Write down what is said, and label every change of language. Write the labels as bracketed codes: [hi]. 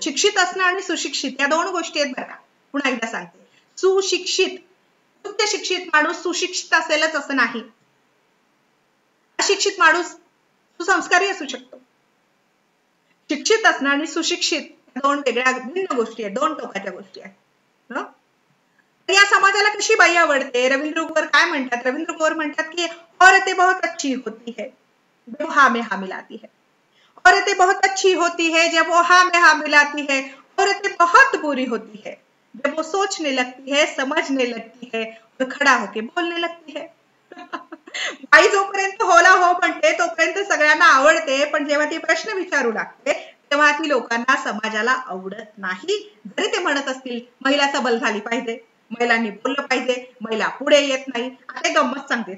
[mr] शिक्षित असणं आणि सुशिक्षित या दोन गोष्टी आहेत बरं का. पुन्हा एकदा सांगते, सुशिक्षित, उच्च शिक्षित माणूस सुशिक्षित असेलच असं नाही. अशिक्षित माणूस सुसंस्कारी असू शकतो. शिक्षित असणं आणि सुशिक्षित दोन वेगळ्या भिन्न गोष्टी आहेत, दोन टोकाच्या गोष्टी आहेत. या समाजाला कशी बाई आवडते, रवींद्र कुवर काय म्हणतात, रवींद्र कुवर म्हणतात की [hi] औरते बहुत अच्छी होती है जो हा में हा मिलाती है, औरते बहुत अच्छी होती है जब वो हा में हा मिलाती है, औरते बहुत बुरी होती है जब वो सोचने लगती है, समझने लगती है और खड़ा होके बोलने लगती है. [mr] बाई जोपर्यंत होला हो म्हणते तोपर्यंत सगळ्यांना आवडते, पण जेव्हा ती प्रश्न विचारू लागते तेव्हा ती लोकांना समाजाला आवडत नाही. जरी ते म्हणत असतील महिला सबल झाली पाहिजे, महिलांनी बोललं पाहिजे, महिला पुढे येत नाही, असे गंमत सांगते.